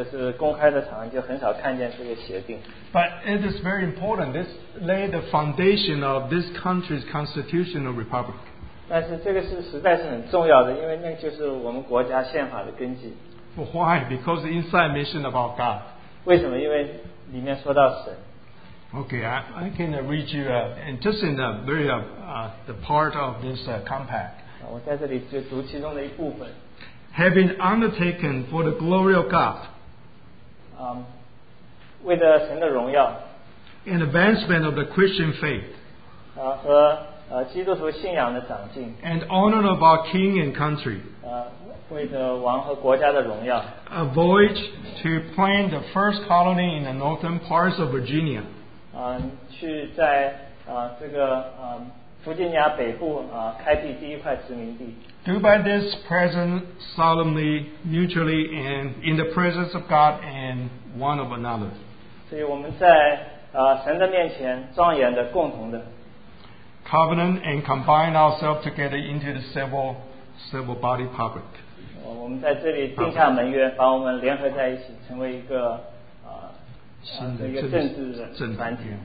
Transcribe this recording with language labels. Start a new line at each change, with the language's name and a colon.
Chinese: 但是在这个课本里面或者是公开的场合就很少看见这个协定.
English: But it is very important. This laid the foundation of this country's constitutional republic.
Chinese: 但是这个是实在是很重要的，因为那就是我们国家宪法的根基。
English: Why? Because the inside mission about God.
Chinese: 为什么？因为里面说到神。
English: Okay, I can read you just in the very the part of this compact.
Chinese: 我在这里就读其中的一部分。
English: Having undertaken for the glory of God.
Chinese: 为了神的荣耀。
English: And advancement of the Christian faith.
Chinese: 和
English: and honor of our king and country. A voyage to plant the first colony in the northern parts of Virginia.
Chinese: 去在这个弗吉尼亚北部开辟第一块殖民地.
English: Do by this present solemnly, mutually, and in the presence of God and one of another.
Chinese: 所以我们在神的面前庄严的共同的
English: covenant and combine ourselves together into the civil, civil body public.
Chinese: 我们在这里定下门约, 把我们联合在一起, 成为一个政治团体,